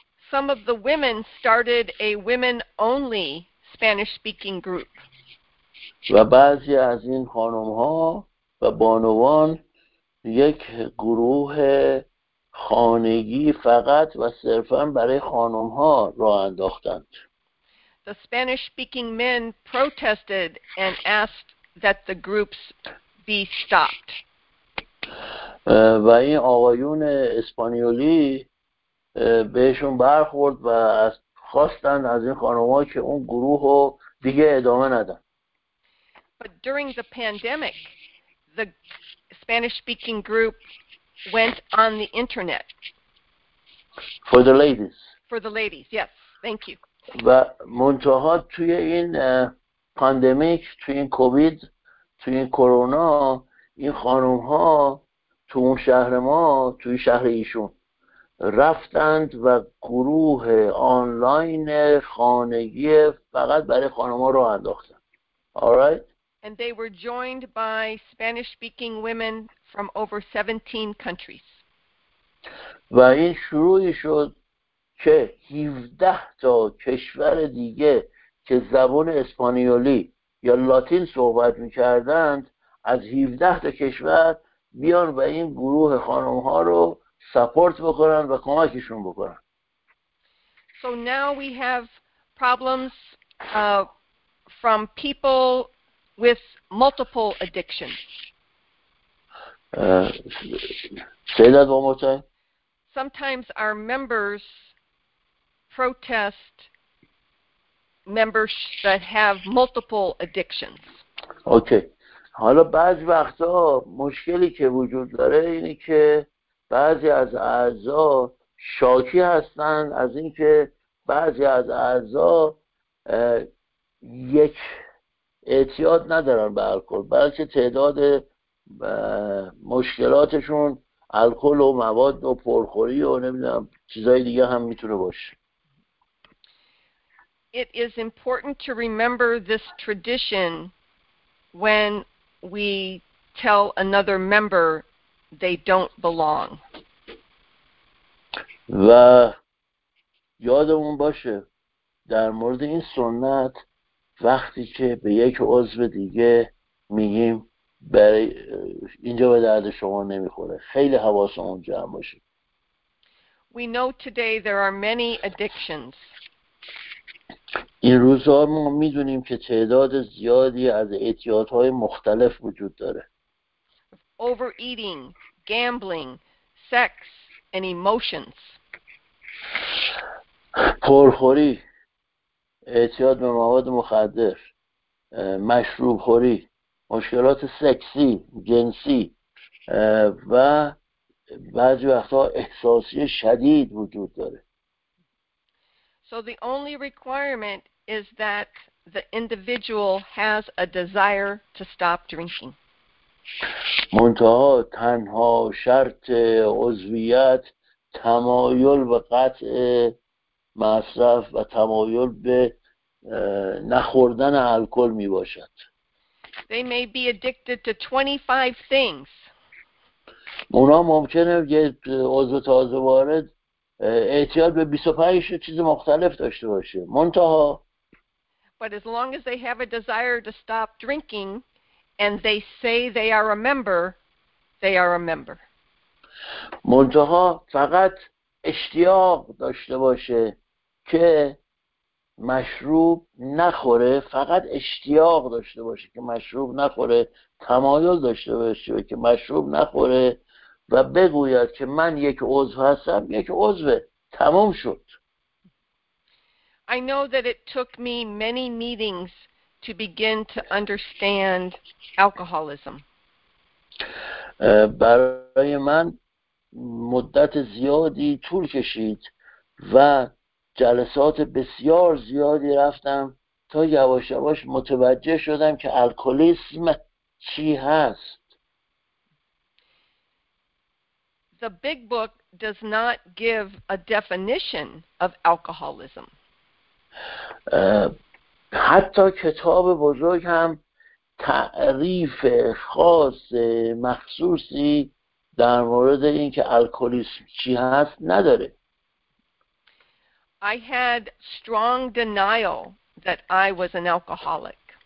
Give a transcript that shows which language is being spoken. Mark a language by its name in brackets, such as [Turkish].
[English] Some of the women started a women-only Spanish-speaking group. [Persian] و بعضی از این خانم ها و بانوان یک گروه خانگی فقط و صرفا برای خانم ها راه انداختند. [English] The Spanish-speaking men protested and asked that the groups be stopped. [Persian] و این آقایون اسپانیولی بهشون برخورد و خواستند از این خانم‌ها که اون گروه رو دیگه ادامه ندن. [English] But during the pandemic, the Spanish-speaking group went on the internet. For the ladies. For the ladies, yes. Thank you. [Persian] و منتها توی این پاندمیک، توی این کووید، توی این کرونا، این خانم‌ها تو اون شهر ما، توی شهر ایشون رفتند و گروه آنلاین خانگی فقط برای خانم‌ها رو انداختند. [English] Alright. And they were joined by Spanish-speaking women from over 17 countries. [Persian] و این شروعی شد که 17 تا کشور دیگه که زبان اسپانیولی یا لاتین صحبت می‌کردند از 17 تا کشور بیان و این گروه خانم‌ها رو سپورت بکنن و کمکشون بکنن. [English] So now we have problems from people with multiple addictions. Say that one more time. Sometimes our members protest members that have multiple addictions. Okay. [Persian] حالا بعضی وقتا مشکلی که وجود داره اینه که بعضی از اعضا شاکی هستند از اینکه بعضی از اعضا یک اعتیاد ندارن به الکل، بلکه تعداد مشکلاتشون الکل و مواد و پرخوری و نمیدونم چیزای دیگه هم میتونه باشه. [English] It is important to remember this tradition when we tell another member they don't belong. [Persian] و یادمون باشه در مورد این سنت وقتی که به یک عضو دیگه میگیم برای اینجا به درد شما نمیخوره خیلی حواسمون جمع باشه. [English] We know today there are many addictions. [Persian] این روزها ما میدونیم که تعداد زیادی از اعتیادهای مختلف وجود داره. [English] Overeating, gambling, sex and emotions. [Persian] پرخوری، اعتیاد به مواد مخدر، مشروب خوری، مشکلات سکسی، جنسی و بعضی وقتها احساسی شدید وجود داره. [English] So the only requirement is that the individual has a desire to stop drinking. [Persian] منتها تنها شرط عضویت تمایل به قطع مصرف و تمایل به نخوردن الکل می باشد. [English] They may be addicted to 25 things. [Persian] اونا ممکنه یه عضو تازه وارد اعتیاد به 25 چیز مختلف داشته باشه. منتها [English] But as long as they have a desire to stop drinking and they say they are a member, they are a member. [Persian] منتها فقط اشتیاق داشته باشه که مشروب نخوره فقط اشتیاق داشته باشه که مشروب نخوره تمایل داشته باشه که مشروب نخوره و بگوید که من یک عضو هستم یک عضو تمام شد. [English] I know that it took me many meetings to begin to understand alcoholism. [Persian] برای من مدت زیادی طول کشید و جلسات بسیار زیادی رفتم تا یواش یواش متوجه شدم که الکلیسم چی هست. [English] The big book does not give a definition of alcoholism. [Persian] حتی کتاب بزرگ هم تعریف خاص مخصوصی در مورد اینکه الکلیسم چی هست نداره. [English] I had strong denial that I was an alcoholic.